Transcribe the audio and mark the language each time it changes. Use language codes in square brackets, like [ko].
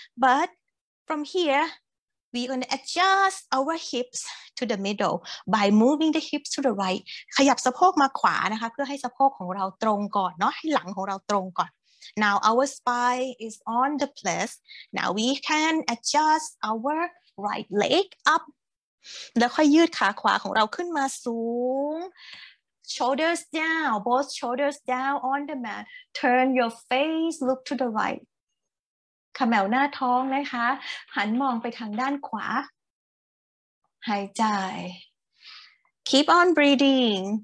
[en] But from here, we're gonna adjust our hips to the middle by moving the hips to the right. [th] ขยับสะโพกมาขวานะคะเพื่อให้สะโพกของเราตรงก่อนเนาะให้หลังของเราตรงก่อน [en] Now our spine is on the place. Now we can adjust our right leg up. [th] แล้วค่อยยืดขาขวาของเราขึ้นมาสูง [en] Shoulders down, both shoulders down on the mat. Turn your face, look to the right. [th] ขมวดหน้าท้องนะคะหันมองไปทางด้านขวาหายใจ [en] Keep on breathing.